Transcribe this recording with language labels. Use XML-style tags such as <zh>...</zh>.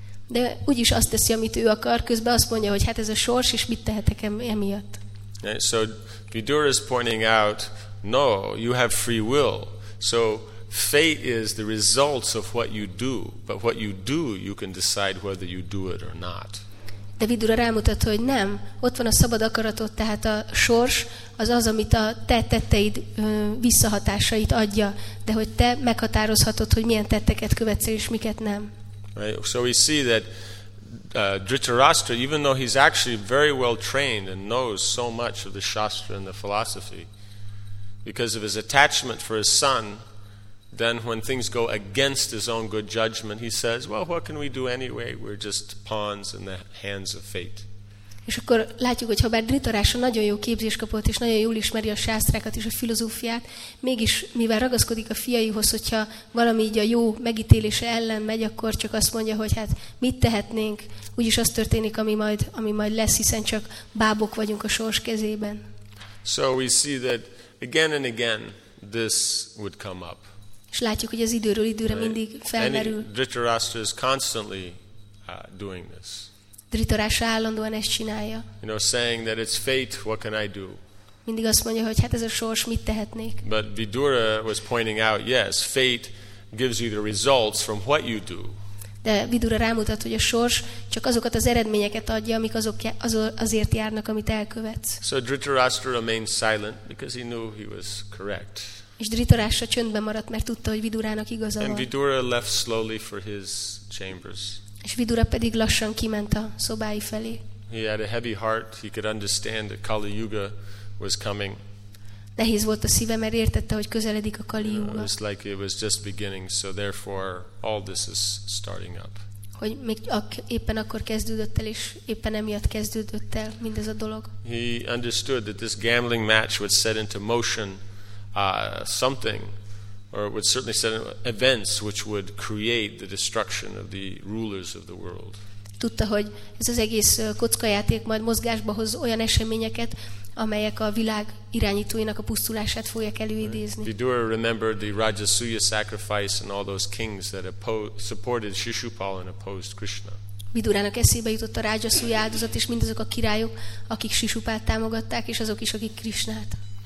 <hu>De úgyis azt teszi, amit ő akar, közben azt mondja, hogy hát ez a sors, és mit tehetek emiatt.</hu> <en>Right, so Vidura is pointing out, no, you have free will. So fate is the results of what you do, but what you do, you can decide whether you do it or not.</en> <hu>De Vidura rámutat, hogy nem, ott van a szabad akaratod, tehát a sors az az, amit a te tetteid visszahatásait adja, de hogy te meghatározhatod, hogy milyen tetteket követsz és miket nem.</hu> <en>Right. So we see that Dhritarashtra, even though he's actually very well trained and knows so much of the Shastra and the philosophy, because of his attachment for his son, then when things go against his own good judgment, he says, well, what can we do anyway? We're just pawns in the hands of fate.</en> <hu>És akkor látjuk, hogy habár Dhritarashtra nagyon jó képzést kapott, és nagyon jól ismeri a sásztrákat és a filozófiát, mégis mivel ragaszkodik a fiaihoz, hogyha valami így a jó megítélése ellen megy, akkor csak azt mondja, hogy hát mit tehetnénk, úgyis az történik, ami majd lesz, hiszen csak bábok vagyunk a sors kezében.</hu> <en>So we see that again and again this would come up.</en> <hu>És látjuk, hogy az időről időre mindig felmerül.</hu> <en>Dhritarashtra is constantly doing this.</en> <hu>Dhritarashtra állandóan ezt csinálja.</hu> <en>You know, saying that it's fate, what can I do?</en> <hu>Mindig azt mondja, hogy hát ez a sors, mit tehetnék?</hu> <en>But Vidura was pointing out, yes, fate gives you the results from what you do.</en> <hu>De Vidura rámutat, hogy a sors csak azokat az eredményeket adja, amik azért járnak, amit elkövetsz.</hu> <en>So Dhritarashtra remained silent because he knew he was correct.</en> <hu>És Dhritarashtra csöndben maradt, mert tudta, hogy Vidurának igaza van.</hu> <en>And Vidura left slowly for his chambers.</en> <hu>És Vidura pedig lassan kiment a szobái felé.</hu> <en>He had a heavy heart. He could understand that Kali Yuga was coming.</en> <hu>Nehéz volt a szíve, mert értette, hogy közeledik a Kali Yuga.</hu> <en>It was like it was just beginning, so therefore all this is starting up.</en> <hu>Hogy még éppen akkor kezdődött el, és éppen emiatt kezdődött el mindez a dolog.</hu> <en>He understood that this gambling match would set into motion something, or it would certainly set events which would create the destruction of the rulers of the world.</en> <hu>Tudta, hogy ez az egész kockajáték majd mozgásba hoz olyan eseményeket, amelyek a világ irányítóinak a pusztulását fogják előidézni.</hu> <en>Vidura remembered the Rajasuya sacrifice and all those kings that supported Shishupal and opposed Krishna.</en> <hu>Vidurának eszébe jutott a Rajasuya áldozat és mindazok a királyok, akik Shishupalt támogatták, és azok is, akik Krishnát.</hu>